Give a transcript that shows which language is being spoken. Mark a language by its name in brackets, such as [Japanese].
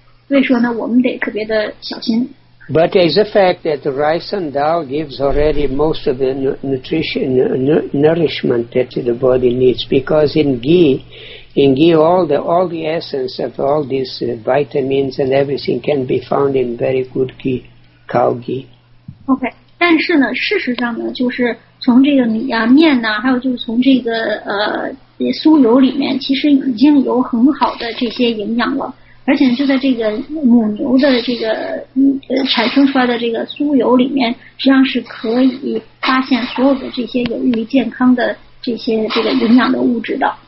[Chinese] 所以说呢，我们得特别的小心。 [English] But it's a fact that the rice and dal gives already most of the nourishment that the body needs, because in ghee all the essence of all these vitamins and everything can be found in very good ghee, cow ghee. [Chinese] Okay, 但是呢，事实上呢，就是从这个米啊、面呐、啊，还有就是从这个酥油里面，其实已经有很好的这些营养了。而且就在这个母牛的这个产生出来的这个酥油里面，实际上是可以发现所有的这些有益于健康的这些这个营养的物质的。